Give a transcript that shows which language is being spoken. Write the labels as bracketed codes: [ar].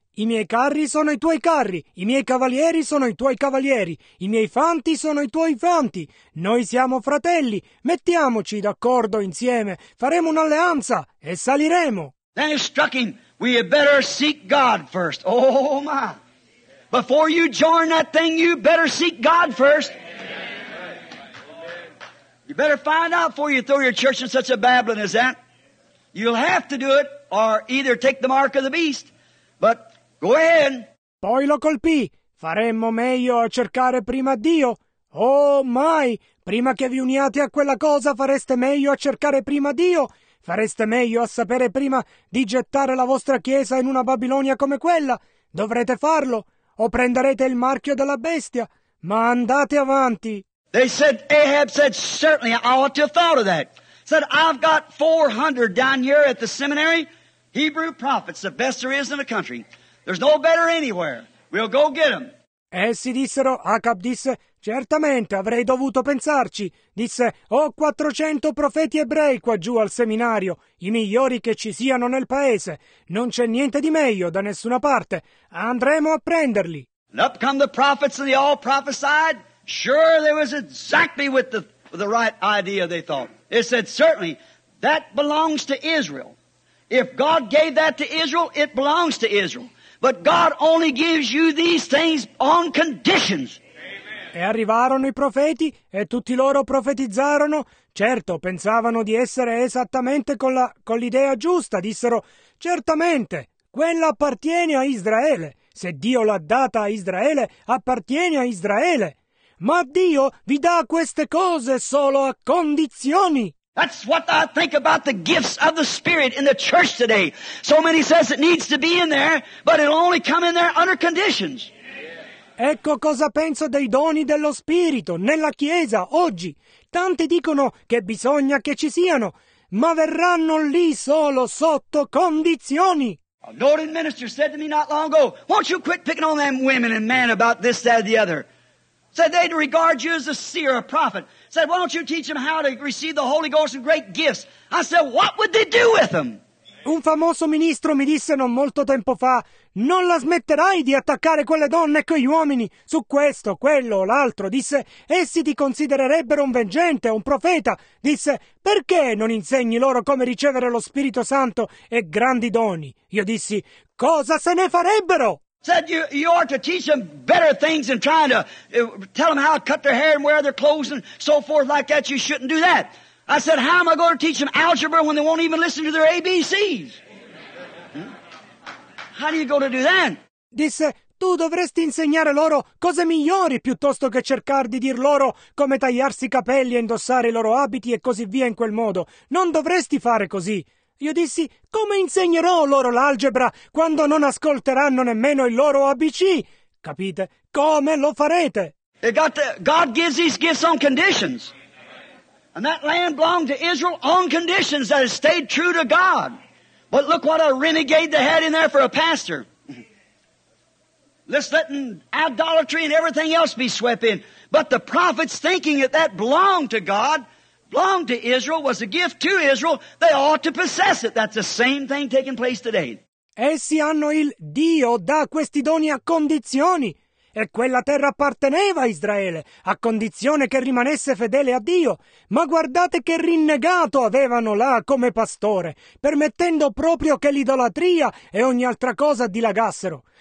[it] I miei carri sono i tuoi carri, i miei cavalieri sono i tuoi cavalieri, i miei fanti sono i tuoi fanti. Noi siamo fratelli, mettiamoci d'accordo insieme, faremo un'alleanza e saliremo. [en] Then it struck him, we had better seek God first. Oh my! Before you join that thing, you better seek God first. You better find out before you throw your church in such a babbling as that. You'll have to do it, or either take the mark of the beast, but go ahead. [it] Poi lo colpì. Faremmo meglio a cercare prima Dio. Oh, mai! Prima che vi uniate a quella cosa, fareste meglio a cercare prima Dio. Fareste meglio a sapere prima di gettare la vostra chiesa in una Babilonia come quella. Dovrete farlo. O prenderete il marchio della bestia. Ma andate avanti. [en] They said, Ahab said, certainly, I ought to have thought of that. Said, I've got 400 down here at the seminary. Hebrew prophets, the best there is in the country. There's no better anywhere. We'll go get them. [it] Essi dissero, Acab disse, certamente avrei dovuto pensarci. Disse, ho 400 profeti ebrei qua giù al seminario, i migliori che ci siano nel paese. Non c'è niente di meglio da nessuna parte. Andremo a prenderli. [en] And up come the prophets and they all prophesied. Sure, there was exactly with the right idea they thought. It said, certainly, that belongs to Israel. If God gave that to Israel, it belongs to Israel. But God only gives you these things on conditions. [it] E arrivarono i profeti e tutti loro profetizzarono. Certo, pensavano di essere esattamente con l'idea giusta. Dissero, certamente, quella appartiene a Israele. Se Dio l'ha data a Israele, appartiene a Israele. Ma Dio vi dà queste cose solo a condizioni. [en] That's what I think about the gifts of the Spirit in the church today. So many says it needs to be in there, but it'll only come in there under conditions. [it] Ecco cosa penso dei doni dello Spirito nella Chiesa oggi. Tanti dicono che bisogna che ci siano, ma verranno lì solo sotto condizioni. [en] A noted minister said to me not long ago, won't you quit picking on them women and men about this, that, and the other? Said they'd regard you as a seer, a prophet. Said, why don't you teach them how to receive the Holy Ghost and great gifts? I said, what would they do with them? [it] Un famoso ministro mi disse non molto tempo fa, non la smetterai di attaccare quelle donne e quegli uomini su questo, quello o l'altro. Disse, essi ti considererebbero un veggente, un profeta. Disse, perché non insegni loro come ricevere lo Spirito Santo e grandi doni? Io dissi, cosa se ne farebbero? [en] Said you are to teach them better things than trying to tell them how to cut their hair and wear their clothes and so forth like that. You shouldn't do that. I said, how am I going to teach them algebra when they won't even listen to their ABCs? How do you go to do that? [it] Disse, tu dovresti insegnare loro cose migliori piuttosto che cercare di dir loro come tagliarsi i capelli e indossare i loro abiti e così via in quel modo. Non dovresti fare così. Io dissi, come insegnerò loro l'algebra quando non ascolteranno nemmeno il loro ABC? Capite? Come lo farete? [en] God gives these gifts on conditions. And that land belonged to Israel on conditions that it stayed true to God. But look what a renegade they had in there for a pastor. Just letting idolatry and everything else be swept in. But the prophets thinking that that belonged to God, belonged to Israel, was a gift to Israel, they ought to possess it. That's the same thing taking place today. [it] Essi hanno il Dio dà questi doni a condizioni. E quella terra apparteneva a Israele, a condizione che rimanesse fedele a Dio. Ma guardate che rinnegato avevano là come pastore, permettendo proprio che l'idolatria e ogni altra cosa dilagassero.